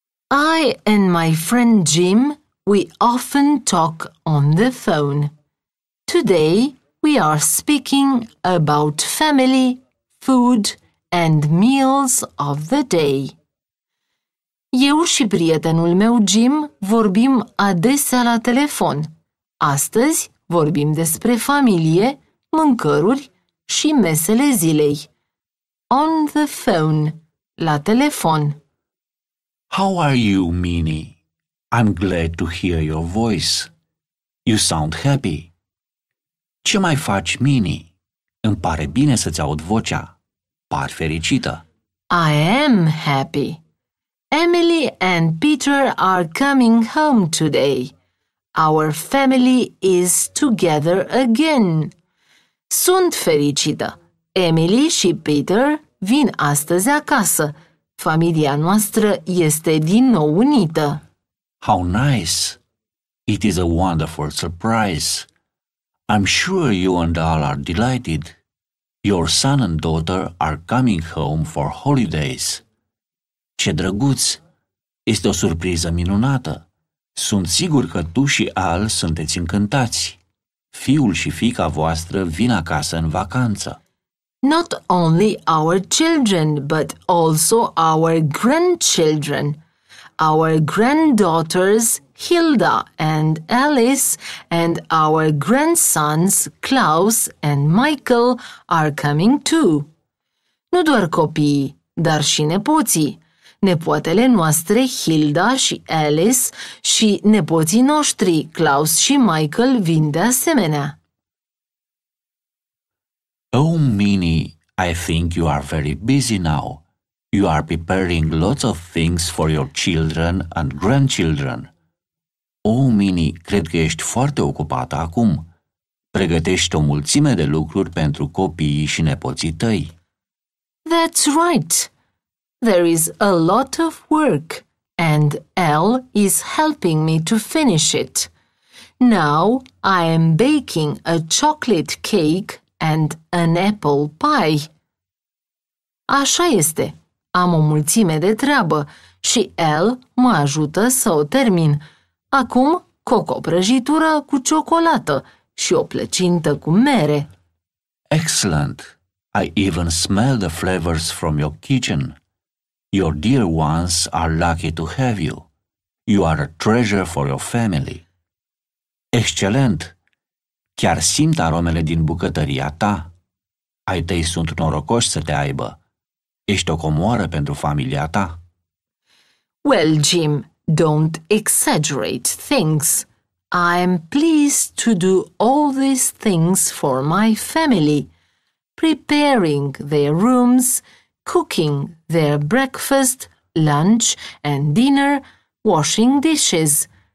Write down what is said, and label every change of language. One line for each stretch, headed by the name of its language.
English: I and my friend Jim, we often talk on the phone. Today, we are speaking about family, food, and meals of the day.
Romanian: Eu și prietenul meu Jim vorbim adesea la telefon. Astăzi vorbim despre familie, mâncăruri și mesele zilei.
English: On the phone,
Romanian: la telefon.
English: How are you, Minnie? I'm glad to hear your voice. You sound happy.
Romanian: Ce mai faci,
English: Minnie?
Romanian: Îmi pare bine să-ți aud vocea. Par fericită.
English: I am happy. Emily and Peter are coming home today. Our family is together again.
Romanian: Sunt fericită. Emily și Peter vin astăzi acasă. Familia noastră este din nou unită.
English: How nice! It is a wonderful surprise. I'm sure you and all are delighted. Your son and daughter are coming home for holidays.
Romanian: Ce drăguț! Este o surpriză minunată. Sunt sigur că tu și Al sunteți încântați. Fiul și fiica voastră vin acasă în vacanță.
English: Not only our children, but also our grandchildren. Our granddaughters Hilda and Alice and our grandsons Klaus and Michael are coming too.
Romanian: Nu doar copiii, dar și nepoții. Nepoatele noastre, Hilda și Alice, și nepoții noștri, Klaus și Michael, vin de asemenea.
English: Oh, Minnie, I think you are very busy now. You are preparing lots of things for your children and grandchildren.
Romanian: Oh, Minnie, cred că ești foarte ocupată acum. Pregătești o mulțime de lucruri pentru copiii și nepoții tăi.
English: That's right. There is a lot of work, and Elle is helping me to finish it. Now I am baking a chocolate cake and an apple pie.
Romanian: Așa este. Am o mulțime de treabă și Elle mă ajută să o termin. Acum cocoprăjitură cu ciocolată și o plăcintă cu mere.
English: Excellent! I even smell the flavors from your kitchen. Your dear ones are lucky to have you. You are a treasure for your family. Excelent!
Romanian: Chiar simt aromele din bucătăria ta. Ai tăi sunt norocoși să te aibă. Ești o comoară pentru familia ta.
English: Well, Jim, don't exaggerate things. I'm pleased to do all these things for my family. Preparing their rooms, cooking their breakfast, lunch and dinner, washing dishes.